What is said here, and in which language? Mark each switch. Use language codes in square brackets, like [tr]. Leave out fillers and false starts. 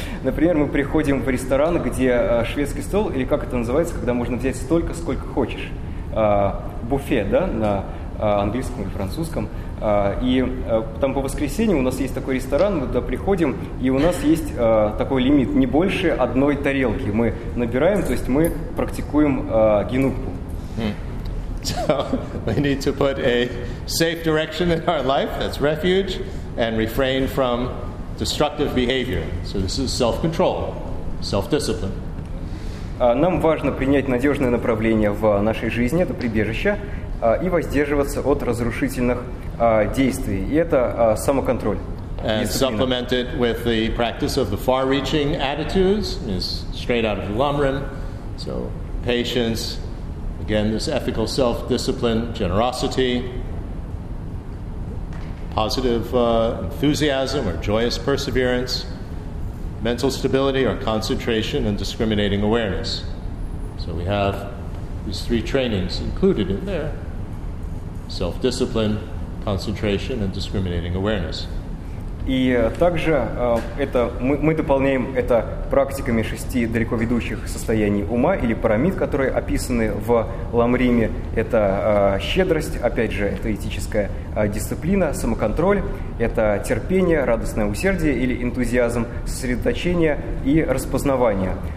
[ru] Например, мы приходим в ресторан, где шведский стол, или как это называется, когда можно взять столько, сколько хочешь. Буфе, да, на английском и французском. И там по воскресеньям у нас есть такой ресторан, мы туда приходим, и у нас есть такой лимит, не больше одной тарелки. Мы набираем, то есть мы практикуем генугпу. [en] So we need to put a safe direction in our life, that's refuge, and refrain from destructive behavior. So this is self-control, self-discipline. [ru] Нам важно принять надежное направление в нашей жизни, это прибежище, и воздерживаться от разрушительных действий. И это самоконтроль. [en] And supplement it with the practice of the far-reaching attitudes, is straight out of the Lamrim. So patience, again, this ethical self-discipline, generosity, positive enthusiasm or joyous perseverance, mental stability or concentration and discriminating awareness. So we have these three trainings included in there. Self-discipline, concentration and discriminating awareness. [ru] И также мы дополняем это практиками шести далеко ведущих состояний ума или парамид, которые описаны в Ламриме. Это щедрость, опять же, это этическая дисциплина, самоконтроль, это терпение, радостное усердие или энтузиазм, сосредоточение и распознавание.